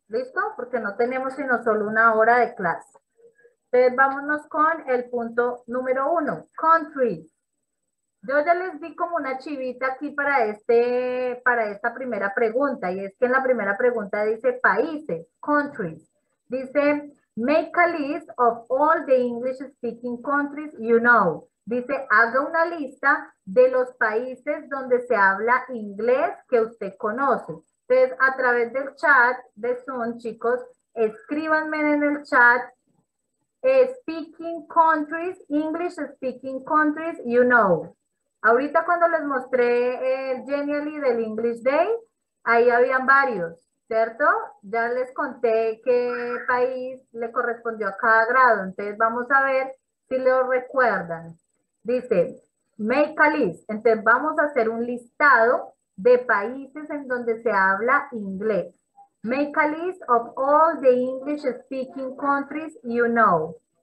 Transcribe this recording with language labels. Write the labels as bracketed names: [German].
[Spanish] ¿Listo? Porque no tenemos sino solo 1 hora de clase. Entonces, vámonos con el punto número 1. Country. Yo ya les di como una chivita aquí para esta primera pregunta. Y es que en la primera pregunta dice países, countries. Dice, [English] make a list of all the English speaking countries you know. [Spanish] Dice, haga una lista de los países donde se habla inglés que usted conoce. Entonces, a través del chat de Zoom, chicos, escríbanme en el chat. [English] Speaking countries, English speaking countries you know. [Spanish] Ahorita cuando les mostré el Genially del English Day, Ahí habían varios, ¿cierto? Ya les conté qué país le correspondió a cada grado. Entonces vamos a ver si lo recuerdan. Dice, [English] make a list. [Spanish] Entonces vamos a hacer un listado de países en donde se habla inglés. [English] Make a list of all the English speaking countries you know.